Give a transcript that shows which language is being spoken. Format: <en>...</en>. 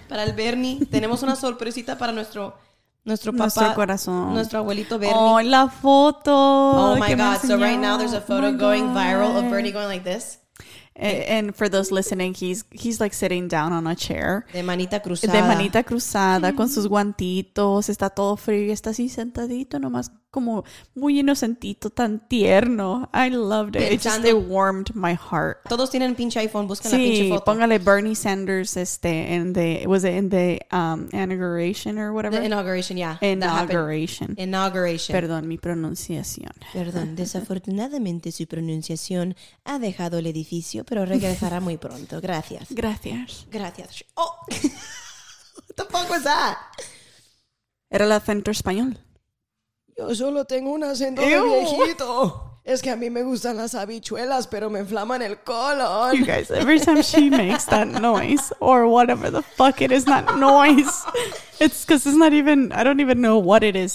<es>Para el Bernie. Tenemos una sorpresita para nuestro papá. Nuestro corazón. Nuestro abuelito Bernie. Oh, la foto.</es> <en>Oh, my God. So right now there's a photo going viral of Bernie going like this. And for those listening, he's like sitting down on a chair.</en> <es>De manita cruzada, con sus guantitos. Está todo frío y está así sentadito nomás, como muy inocentito, tan tierno.</es> <en>I loved it. It warmed my heart.</en> <es>Todos tienen pinche iPhone, buscan la pinche foto. Sí, póngale</es> <en>Bernie Sanders in the inauguration or whatever. The inauguration, yeah. Inauguration. Inauguration.</en> <es>Perdón, mi pronunciación. Perdón, desafortunadamente su pronunciación ha dejado el edificio, pero regresará muy pronto. Gracias. Gracias.</es> <en>Gracias. Oh! What the fuck was that?</en> <es>Era el acento español. Yo solo tengo un acento de viejito. Es que a mí me gustan las habichuelas, pero me inflaman el colon.</es> <en>You guys, every time she makes that noise, or whatever the fuck it is, that noise, it's because it's not even, I don't even know what it is.</en>